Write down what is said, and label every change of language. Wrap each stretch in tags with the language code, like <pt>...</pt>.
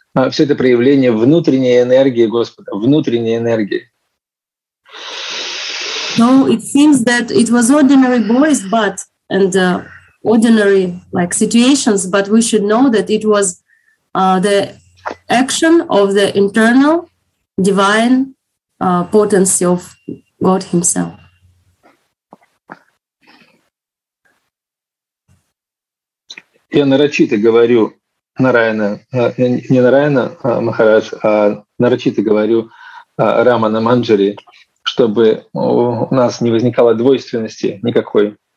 <ru>Все это проявление внутренней энергии Господа, внутренней энергии.</ru> <en>No, it seems that it was ordinary boys, but and ordinary like situations, but we should know that it was the action of the internal divine potency of God Himself.</en> <ru>Я нарочито говорю Нараяна, не Нараяна Махарадж, а нарочито говорю Рамана Манджари, чтобы у нас не возникало двойственности никакой.</ru>